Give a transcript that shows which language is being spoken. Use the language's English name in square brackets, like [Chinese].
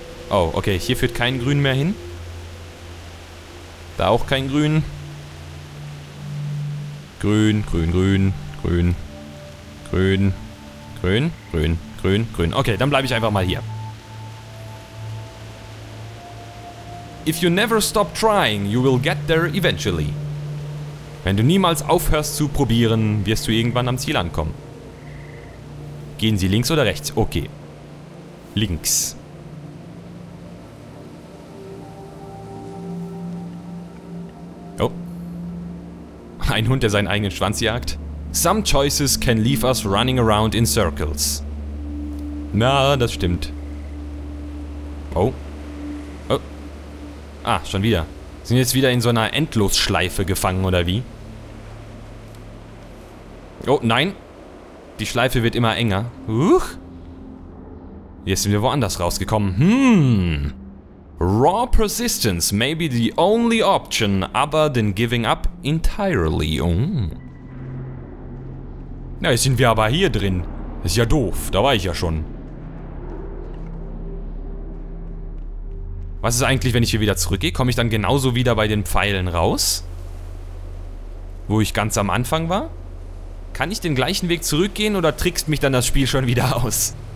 [German] Oh, okay, hier führt kein Grün mehr hin. Da auch kein Grün. Grün, grün, grün, grün, grün, grün, grün, grün, grün. Okay, dann bleibe ich einfach mal hier. [English] If you never stop trying, you will get there eventually. [German] Wenn du niemals aufhörst zu probieren, wirst du irgendwann am Ziel ankommen. Gehen Sie links oder rechts? Okay. Links. Oh. Ein Hund, der seinen eigenen Schwanz jagt. [English] Some choices can leave us running around in circles. [German] Na, das stimmt. [English] Oh. [German] Ah, schon wieder. Sind jetzt wieder in so einer Endlosschleife gefangen, oder wie? Oh, nein. Die Schleife wird immer enger. Huch. Jetzt sind wir woanders rausgekommen. [English] Raw persistence may be the only option other than giving up entirely. [German] Na, jetzt sind wir aber hier drin. Ist ja doof, da war ich ja schon. Was ist eigentlich, wenn ich hier wieder zurückgehe? Komme ich dann genauso wieder bei den Pfeilen raus? Wo ich ganz am Anfang war? Kann ich den gleichen Weg zurückgehen oder trickst mich dann das Spiel schon wieder aus?